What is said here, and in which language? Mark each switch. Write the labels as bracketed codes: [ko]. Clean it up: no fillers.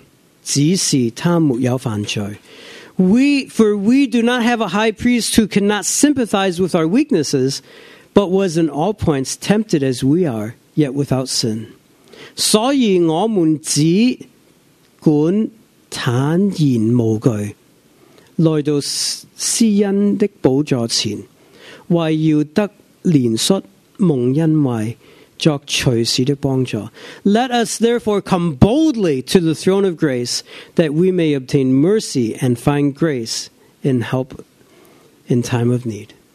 [zh] 因我们的大祭司并非不能体恤我们的软弱，他也曾凡事受过试探，与我们一样，只是他没有犯罪。 [en] We do not have a high priest who cannot sympathize with our weaknesses, but was in all points tempted as we are, yet without sin. [zh] 所以我们只管坦然无惧,来到施恩的宝座前,为要得怜恤蒙恩惠,作随时的帮助。 [en] Let us therefore come boldly to the throne of grace, that we may obtain mercy and find grace in help in time of need.